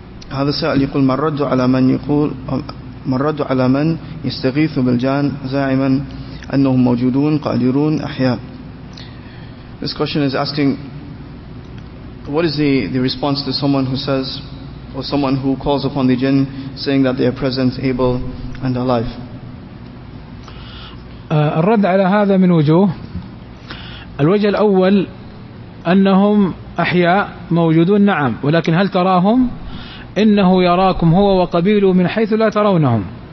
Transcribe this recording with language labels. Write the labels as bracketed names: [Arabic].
[Arabic] هذا سائل يقول ما الرد على من يقول ما الرد على من يستغيث بالجان زاعما أنهم موجودون قادرون أحياء. [English] This question is asking, what is the response to someone who says, or someone who calls upon the jinn, saying that they are present, able, and alive? [Arabic] الرد على هذا من وجوه. الوجه الأول أنهم أحياء موجودون نعم، ولكن هل تراهم؟ إنه يراكم هو وقبيله من حيث لا ترونهم.